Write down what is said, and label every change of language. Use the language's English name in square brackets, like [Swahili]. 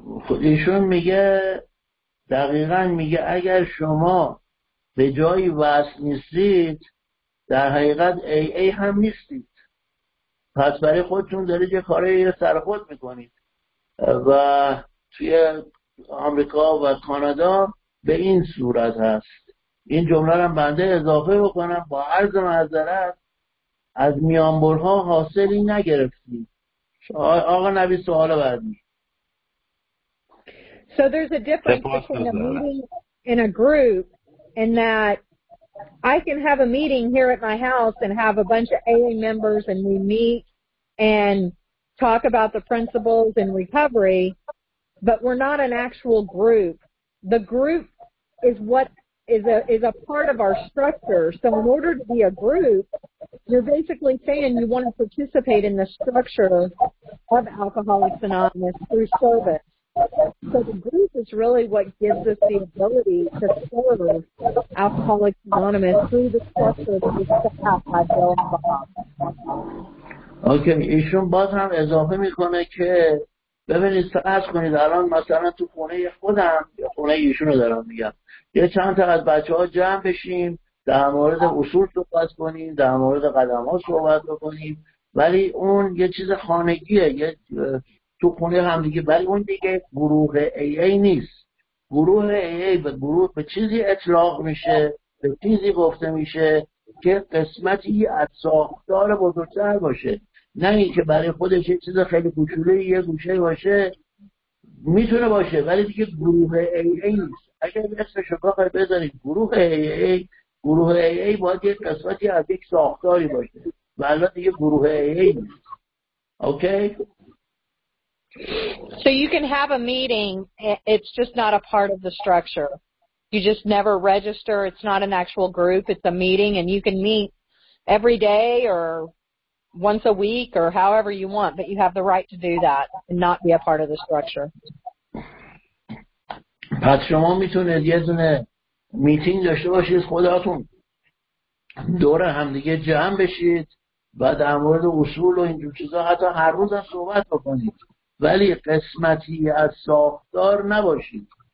[Persian] ایشون میگه دقیقا میگه اگر شما به جایی وصل نیستید در حقیقت AA هم نیستید، پس برای خودتون دارید یه کاری سر خود میکنید و توی آمریکا و کانادا به این صورت هست. این جمله رو بنده اضافه بکنم با عرض معذرت، از میانبرها حاصلی نگرفتید. آقا نبی سوال بعدی. [English] So there's a difference between a meeting and a group in that I can have a meeting here at my house and have a bunch of AA members and we meet and talk about the principles in recovery, but we're not an actual group. The group is what is a part of our structure. So in order to be a group, you're basically saying you want to participate in the structure of Alcoholics Anonymous through service. So the group is really what gives us the ability to serve Alcoholics Anonymous through the structure that we set up by Bill and Bob. [Persian] اوکی ایشون باز هم اضافه میکنه که ببینید فرض کنید الان مثلا تو خونه خودم یا خونه ایشونو دارم میگم یه چند تا از بچه‌ها جمع بشیم در مورد اصول صحبت کنیم در مورد قدم‌ها صحبت بکنیم ولی اون یه چیز خانگیه یه تو خونه هم دیگه ولی اون دیگه گروه ای ای نیست گروه ای ای به گروه به چیزی اطلاق میشه به چیزی گفته میشه که قسمتی از ساختار بزرگتر باشه نه این که برای خودش یه چیز خیلی کوچولی یه گوشه باشه میتونه باشه ولی دیگه گروه ای ای نیست اگر اسمش رو بخوای بذارید گروه ای ای گروه ای ای باید یه قسمتی از یک ساختاری باشه و الان دیگه گروه ای ای نیست اوکی؟ [English] So you can have a meeting, it's just not a part of the structure. You just never register. It's not an actual group. It's a meeting, and you can meet every day or once a week or however you want, but you have the right to do that and not be a part of the structure. [Persian] پس شما میتونید یه دونه میتینگ داشته باشید خودتون دور هم دیگه جمع بشید و در مورد اصول و اینجور چیزا حتی هر روز هم صحبت بکنید ولی قسمتی از ساختار نباشید